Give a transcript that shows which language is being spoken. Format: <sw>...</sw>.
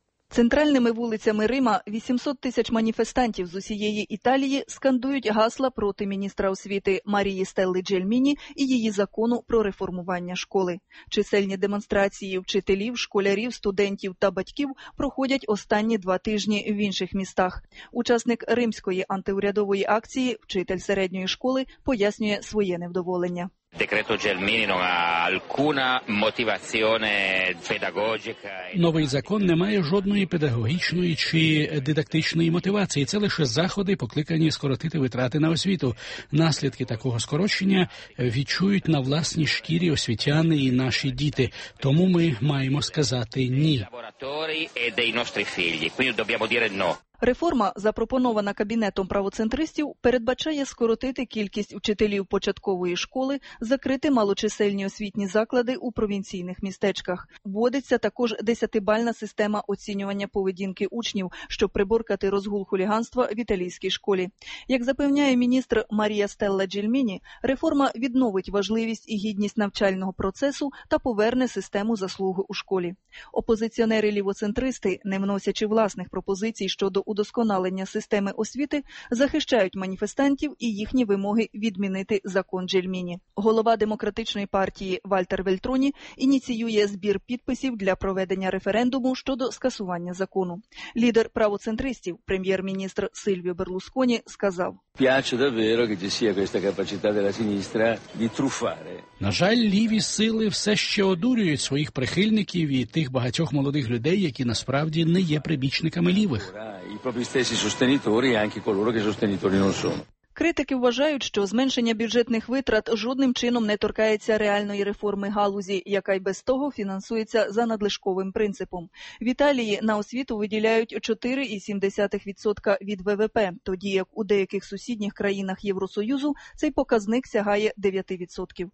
<uk>Центральними вулицями Рима 800 тисяч маніфестантів з усієї Італії скандують гасла проти міністра освіти Марії Стелли Джельміні і її закону про реформування школи. Чисельні демонстрації вчителів, школярів, студентів та батьків проходять останні два тижні в інших містах. Учасник римської антиурядової акції, вчитель середньої школи, пояснює своє невдоволення.</uk> <it>Декрето Джельміні non ha alcuna motivazione pedagogica.</it> <uk>Новий закон не має жодної педагогічної чи дидактичної мотивації. Це лише заходи, покликані скоротити витрати на освіту. Наслідки такого скорочення відчують на власній шкірі освітяни і наші діти. Тому ми маємо сказати ні. Лабораторії і</uk> <it>dei nostri figli. Quindi dobbiamo dire no.</it> <uk>Реформа, запропонована кабінетом правоцентристів, передбачає скоротити кількість учителів початкової школи, закрити малочисельні освітні заклади у провінційних містечках. Вводиться також 10-бальна система оцінювання поведінки учнів, щоб приборкати розгул хуліганства в італійській школі. Як запевняє міністр Марія Стелла Джельміні, реформа відновить важливість і гідність навчального процесу та поверне систему заслуг у школі. Опозиціонери-лівоцентристи, не вносячи власних пропозицій щодо удосконалення системи освіти захищають маніфестантів і їхні вимоги відмінити закон Джельміні. Голова демократичної партії Вальтер Вельтроні ініціює збір підписів для проведення референдуму щодо скасування закону. Лідер правоцентристів, прем'єр-міністр Сильвіо Берлусконі, сказав:</uk> <it>«Piace davvero che ci sia questa capacità della sinistra di truffare».</it> <uk>На жаль, ліві сили все ще одурюють своїх прихильників і тих багатьох молодих людей, які насправді не є прибічниками лівих.</uk> <it>І propri stessi sostenitori, anche coloro che sostenitori non sono.</it> <uk>Критики вважають, що зменшення бюджетних витрат жодним чином не торкається реальної реформи галузі, яка й без того фінансується за надлишковим принципом. В Італії на освіту виділяють 4,7% від ВВП, тоді як у деяких сусідніх країнах Євросоюзу цей показник сягає 9%.</uk>